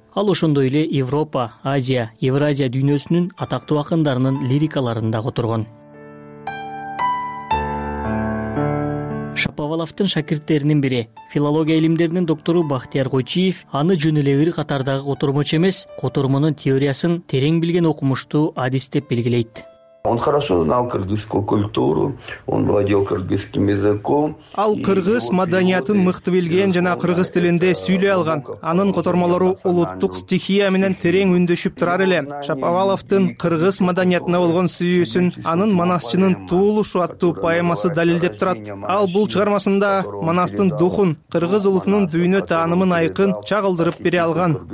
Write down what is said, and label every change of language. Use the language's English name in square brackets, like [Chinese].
[Kyrgyz] Ал ошондой эле Европа, Азия, Евразия дүйнөсүнүн атактуу акындарынын лирикаларында которгон. Шапаваловдун шакирттеринин бири, филология илимдеринин доктору Бахтияр Койчиев аны жөн эле ыр катардагы котормочу эмес, котормонун теориясын терең билген окумуштуу адис деп белгилейт. [Russian] Он хорошо знал кыргызскую культуру, он владел кыргызским языком. [Kyrgyz] Ал кыргыз маданиятын мыкты билген жана кыргыз тилинде сүйлөй алган. Анын котормолору улуттук стихия менен терең үндөшүп турар эле. Шапаваловдун кыргыз маданиятына болгон сүйүүсүн анын Манасчынын туулушу аттуу поэмасы далилдеп турат. Ал бул чыгармасында Манастын духун, кыргыз улутунун дүйнө таанымын айкын чагылдырып бере алган.